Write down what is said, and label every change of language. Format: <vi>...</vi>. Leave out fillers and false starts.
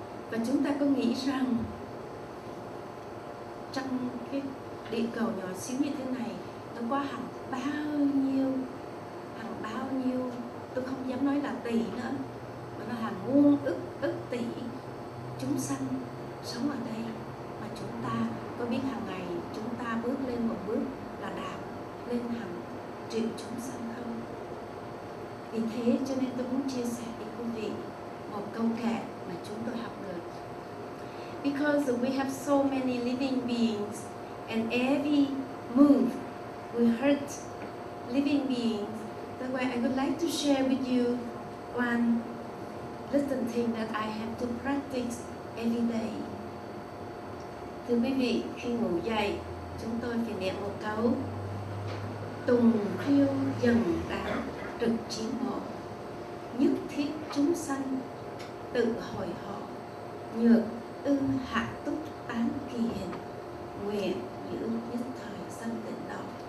<vi>Và chúng ta có nghĩ rằng trong cái địa cầu nhỏ xíu như thế này, nó có hàng bao nhiêu, tôi không dám nói là tỷ nữa, mà nó hàng muôn ức tỷ chúng sanh sống ở đây. Mà chúng ta có biết hàng ngày chúng ta bước lên một bước là đạp lên hàng triệu chúng sanh không? Vì thế cho nên tôi muốn chia sẻ với quý vị một câu kệ mà chúng tôi học được.</vi> <en>Because we have so many living beings, and every move we hurt living beings, that's why I would like to share with you one little thing that I have to practice every day.</en> <vi>Thưa quý vị, khi ngủ dậy, chúng tôi phải niệm một câu: Tùng khiêu dần đạo trực chỉ một, nhất thiết chúng sanh tự hồi họ, nhược ư hạ túc tán kỳ hình, nguyện giữ nhất thời sanh tịnh độ.</vi>